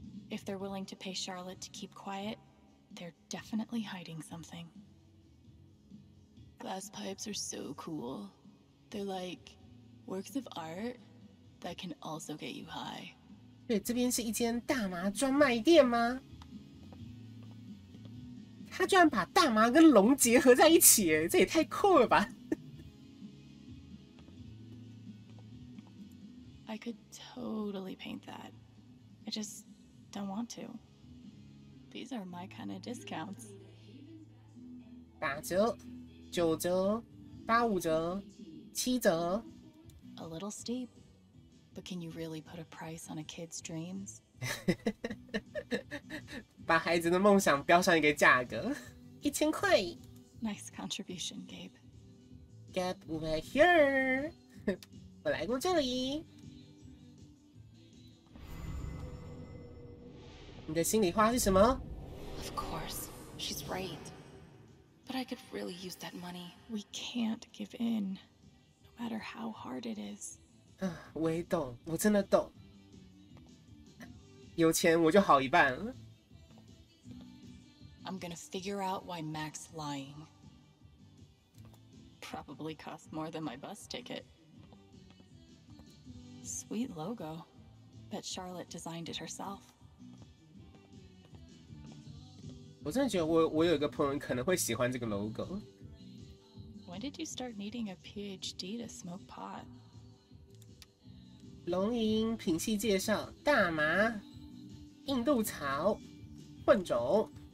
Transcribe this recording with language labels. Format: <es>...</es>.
<en>If they're willing to pay Charlotte to keep quiet, they're definitely hiding something. Glass pipes are so cool. They're like works of art that can also get you high.</en> <zh>对，这边是一间大麻专卖店吗？他居然把大麻跟龙结合在一起，哎，这也太酷了吧</zh> <en>！I could totally paint that. I just don't want to. These are my kind of discounts.</en> <zh>八折、九折、八五折、七折。</zh> <en>A little steep, but can you really put a price on a kid's dreams?</en> <zh>把孩子的梦想标上一个价格，一千块。</zh> <en>Nice contribution, Gabe. Gabe over here.</en> <zh>我来过这里。你的心里话是什么？</zh> <en>Of course, she's right. But I could really use that money. We can't give in, no matter how hard it is.</en> <zh>我也懂，我真的懂。有钱我就好一半。</zh> <en>I'm gonna figure out why Mac's lying. Probably cost more than my bus ticket. Sweet logo. Bet Charlotte designed it herself.</en> <zh>我真的觉得 我有一个朋友可能会喜欢这个 logo.</zh> <en>When did you start needing a PhD to smoke pot?</en> <zh>龙吟品系介绍：大麻、印度草、混种。</zh>